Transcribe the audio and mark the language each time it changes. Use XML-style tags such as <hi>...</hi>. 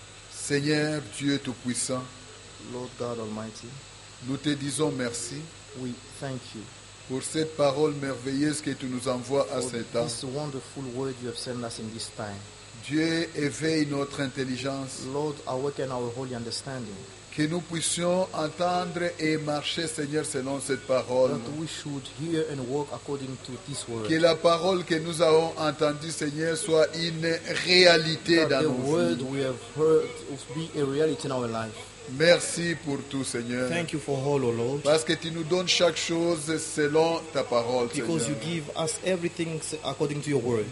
<fr>Seigneur Dieu Tout-Puissant,</fr> <en>Lord God Almighty,</en> <fr>nous te disons merci.</fr> <en>We thank you.</en> <fr>Pour cette parole merveilleuse que tu nous envoies à cet temps.</fr> <en>This wonderful word you have sent us in this time.</en> <fr>Dieu, éveille notre intelligence.</fr> <en>Lord, awaken our holy understanding.</en> <fr>Que nous puissions entendre et marcher, Seigneur, selon cette parole.</fr> <en>That we should hear and walk according to this word.</en> <fr>Que la parole que nous avons entendue, Seigneur, soit une réalité</fr> <en>that the</en> <fr>nos</fr> <en>word</en> <fr>vies.</fr> <en>We have heard be a reality in our life.</en> <fr>Merci pour tout, Seigneur.</fr> <en>Thank you for all, O Lord.</en> <fr>Parce que tu nous donnes chaque chose selon ta parole,</fr> <en>because</en> <fr>Seigneur.</fr> <en>You give us everything according to your word.</en>